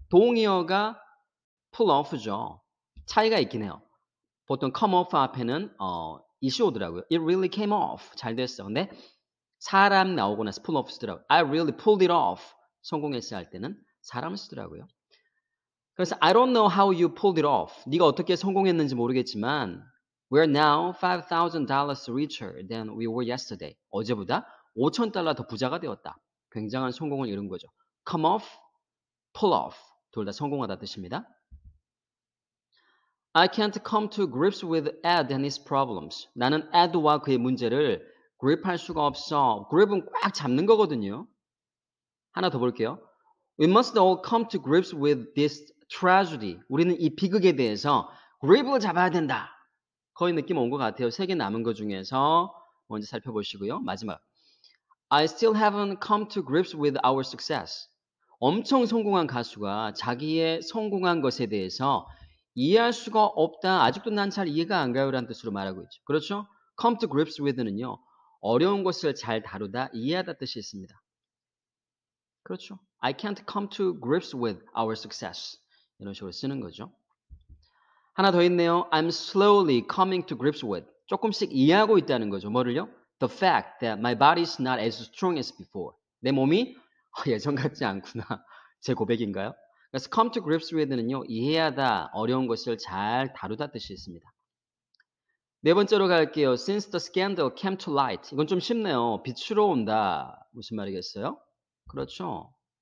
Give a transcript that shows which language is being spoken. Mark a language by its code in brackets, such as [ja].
[ko] 동의어가 pull off죠. 차이가 있긴 해요. 보통 come off 앞에는 이슈 오더라고요. [en] It really came off. [ko] 잘 됐어. 근데 사람 나오거나 pull off 쓰더라고요. [en] I really pulled it off. [ko] 성공했어 할 때는 사람 쓰더라고요. 그래서 I don't know how you pulled it off. 네가 어떻게 성공했는지 모르겠지만 [en] We're now $5,000 richer than we were yesterday. [ko] 어제보다 5,000달러 더 부자가 되었다. 굉장한 성공을 이룬 거죠. [en] Come off, pull off. [ko] 둘다 성공하다 뜻입니다. [en] I can't come to grips with Ed and his problems. [ko] 나는 Ed와 그의 문제를 그립할 수가 없어. 그립은 꽉 잡는 거거든요. 하나 더 볼게요. [en] We must all come to grips with this tragedy. [ko] 우리는 이 비극에 대해서 그립을 잡아야 된다. 거의 느낌 온것 같아요. 세개 남은 것 중에서 먼저 살펴보시고요. 마지막. [en] I still haven't come to grips with our success. [ko] 엄청 성공한 가수가 자기의 성공한 것에 대해서 이해할 수가 없다. 아직도 난잘 이해가 안 가요라는 뜻으로 말하고 있죠. 그렇죠? Come to grips with는요. 어려운 것을 잘 다루다, 이해하다 뜻이 있습니다. 그렇죠? [en] I can't come to grips with our success. [ko] 이런 식으로 쓰는 거죠. 하나 더 있네요. [en] I'm slowly coming to grips with. [ko] 조금씩 이해하고 있다는 거죠. 뭐를요? [en] The fact that my body is not as strong as before. [ko] 내 몸이 예전 같지 않구나. 제 고백인가요? 그래서 come to grips with는요. 이해하다, 어려운 것을 잘 다루다 뜻이 있습니다. 네 번째로 갈게요. [en] Since the scandal came to light. [ko] 이건 좀 쉽네요. 빛으로 온다. 무슨 말이겠어요? 그렇죠.